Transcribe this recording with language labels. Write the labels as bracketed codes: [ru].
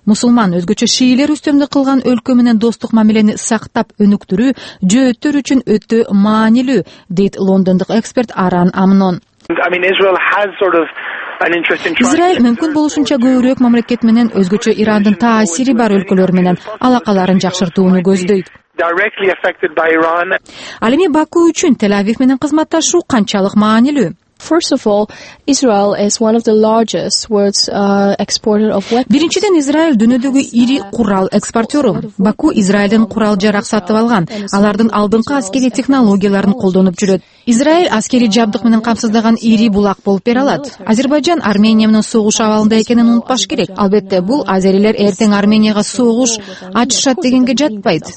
[ky] Мусулман өзгөчө шиилер үстөмдү кылган өлкө менен достук мамилени сактап өнүктүрүү жөөттөр үчүн өтө маанилүү, дейт лондондук эксперт Аран Амнон. Израиль мүмкүн болушунча көбүрөөк мамлекет менен өзгөчө Ирандын таасири бар өлкөлөр менен алакаларын жакшыртууну көздөйт. Ал эми Баку үчүн Тель-Авив менен кызматташуу канчалык маанилүү? [en] First of all, Israel is one of the largest world's exporter of weapons. [ky] Биринчиден Израиль дүйнөдөгү ири курал экспортёру. Баку Израилден курал жарак сатып алган. Алардын алдыңкы аскерий технологияларын колдонуп жүрөт. Израиль аскерий жабдык менен камсыздаган ири булак болуп бере алат. Азербайжан Армения менен согуш абалында экенин унутпаш керек. Албетте, бул азерилер эртең Арменияга согуш ачышат дегенге жатпайт.